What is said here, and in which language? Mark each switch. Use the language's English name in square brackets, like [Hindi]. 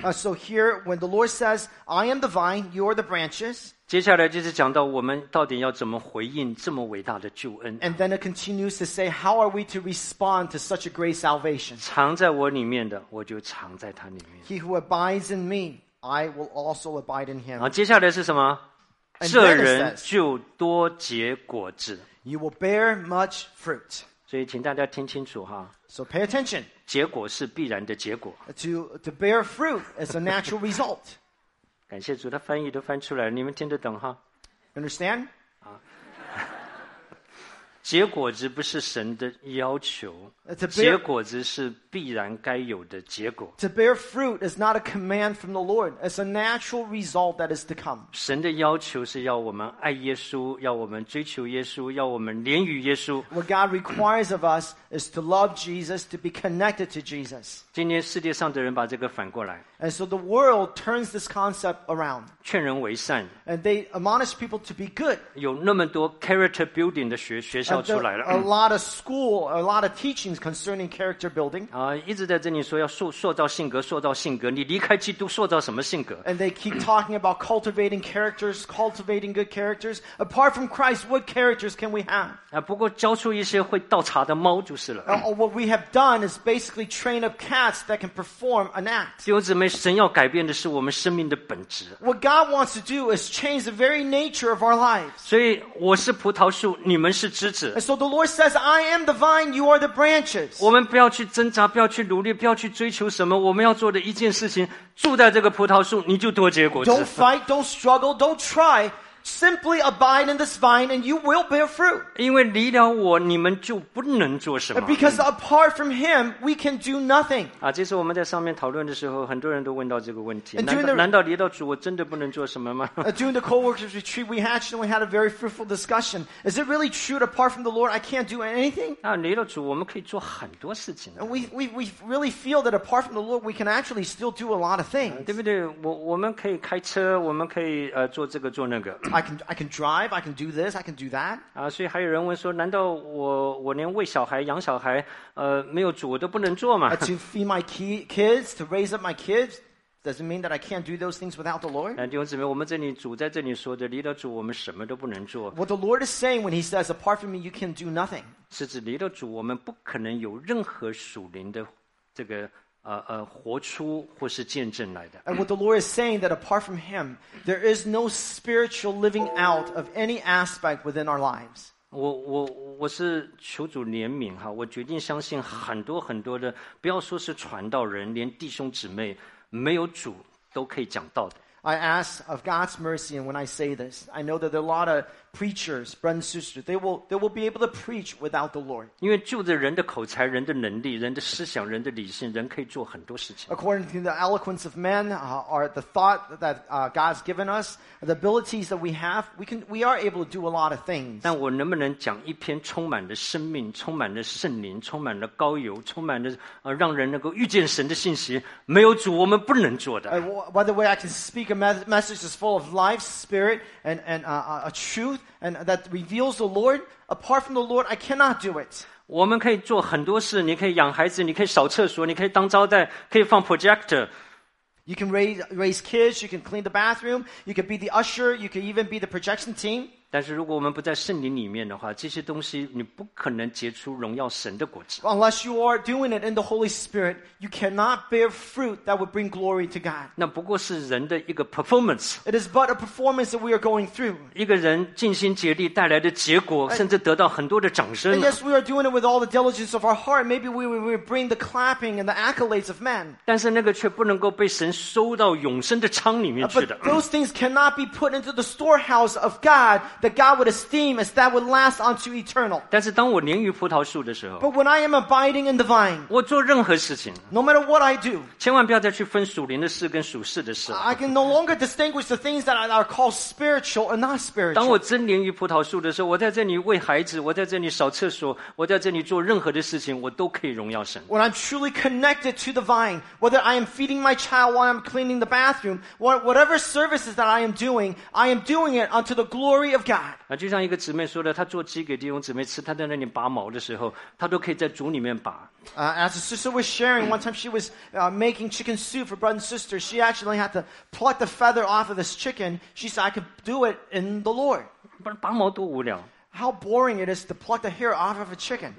[English] So here, when the Lord says, I am the vine, you are the branches. [Chinese] 接下来就是讲到我们到底要怎么回应这么伟大的救恩。 [English] And then it continues to say, how are we to respond to such a great salvation? [Chinese] 藏在我里面的，我就藏在他里面。 [English] He who abides in me, I will also abide in him. [Chinese] 接下来是什么？这人就多结果子。 [English] You will bear much fruit. [Chinese] 所以请大家听清楚哈。 [English] So pay attention. [Chinese] 结果是必然的结果。 [English] To bear fruit is a natural result. [Chinese] 感谢主，他翻译都翻出来了，你们听得懂哈。 [English] Understand? [Chinese] 结果子不是神的要求，结果子是必然该有的结果。 [English] To bear fruit is not a command from the Lord; it's a natural result that is to come. [Chinese] 神的要求是要我们爱耶稣，要我们追求耶稣，要我们连于耶稣。 [English] What God requires of us is to love Jesus, to be connected to Jesus. [Chinese] 今天世界上的人把这个反过来。 [English] And so the world turns this concept around. [Chinese] 劝人为善。 [English] And they admonish people to be good. [Chinese] 有那么多 character building 的学校出来了。 [English] A lot of school, a lot of teachings concerning character building. [Chinese] 一直在这里说要塑造性格，你离开基督塑造什么性格。 [English] And they keep talking about cultivating characters, cultivating good characters. Apart from Christ, what characters can we have? [Chinese] 不过教出一些会倒茶的猫就是了。 [English] What we have done is basically train up cats that can perform an act. [Chinese] 神要改变的是我们生命的本质。 [English] What God wants to do is change the very nature of our lives. [Chinese] 所以我是葡萄树，你们是枝子。 [English] And so the Lord says, I am the vine, you are the branches. [Chinese] 我们不要去挣扎，不要去努力，不要去追求什么，我们要做的一件事情，住在这个葡萄树，你就多结果子。 [English] Don't fight, don't struggle, don't try. Simply abide in this vine and you will bear fruit. [Chinese] 因为离了我，你们就不能做什么。 [English] Because apart from him, we can do nothing. [Chinese] 这是我们在上面讨论的时候，很多人都问到这个问题。难道离了主，我真的不能做什么吗？ [English] During the co-workers retreat, we had a very fruitful discussion. Is it really true that apart from the Lord, I can't do anything? [Chinese] 离了主，我们可以做很多事情。 [English] And we really feel that apart from the Lord, we can actually still do a lot of things. [Chinese] 对不对？我们可以开车，我们可以做这个做那个。 [English] I can drive, I can do this, I can do that. [Chinese] 所以还有人问说，难道我连喂小孩养小孩没有主我都不能做吗？ [English] To feed my kids, to raise up my kids, doesn't mean that I can't do those things without the Lord. [Chinese] 弟兄姊妹，我们这里主在这里说的，离了主我们什么都不能做。 [English] What the Lord is saying when he says, apart from me, you can do nothing. [Chinese] 是指离了主我们不可能有任何属灵的这个活出或是见证来的。 [English] And what the Lord is saying that apart from him, there is no spiritual living out of any aspect within our lives. [Chinese] 我是求主怜悯哈，我决定相信很多很多的，不要说是传道人，连弟兄姊妹没有主都可以讲道的。 [English] I ask of God's mercy, and when I say this, I know that there are a lot of preachers, brothers and sisters, they will be able to preach without the Lord. [Chinese] 因为就着人的口才、人的能力、人的思想、人的理性，人可以做很多事情。 [English] According to the eloquence of men, or the thought that God's given us, the abilities that we have, we are able to do a lot of things. [Chinese] 但我能不能讲一篇充满了生命、充满了圣灵、充满了膏油、充满了让人能够遇见神的信息？没有主，我们不能做的。 [English] By the way, I can speak a message that's full of life, spirit, and a truth. And that reveals the Lord. Apart from the Lord, I cannot do it. [Chinese] 我们可以做很多事，你可以养孩子，你可以扫厕所，你可以当招待，可以放 projector. [English] You can raise kids. You can clean the bathroom. You can be the usher. You can even be the projection team. [Chinese] 但是如果我们不在圣灵里面的话，这些东西你不可能结出荣耀神的果子。 [English] Unless you are doing it in the Holy Spirit, you cannot bear fruit that would bring glory to God. [Chinese] 那不过是人的一个 performance. [English] It is but a performance that we are going through. [Chinese] 一个人尽心竭力带来的结果，甚至得到很多的掌声。 [English] And yes, we are doing it with all the diligence of our heart. Maybe we bring the clapping and the accolades of men. [Chinese] 但是那个却不能够被神收到永生的仓里面去的。 [English] But those things cannot be put into the storehouse of God. that God would esteem as that would last unto eternal. [Chinese] 但是当我连于葡萄树的时候 [English] But when I am abiding in the vine, [Chinese] 我做任何事情 [English] no matter what I do, [Chinese] 千万不要再去分属灵的事跟属世的事 [English] I can no longer distinguish the things that are called spiritual and not spiritual. [Chinese] 当我真连于葡萄树的时候我在这里喂孩子我在这里扫厕所我在这里做任何的事情我都可以荣耀神 [English] When I'm truly connected to the vine, whether I am feeding my child while I'm cleaning the bathroom, whatever services that I am doing it unto the glory of God. [Chinese] 就像一个姊妹说的，她做鸡给弟兄姊妹吃，她在那里拔毛的时候，她都可以在主里面拔。 [English] As a sister was sharing, one time she was making chicken soup for brother and sister. She actually had to pluck the feather off of this chicken. She said, I could do it in the Lord. [Chinese] 不然拔毛多无聊。 [English] How boring it is to pluck the hair off of a chicken.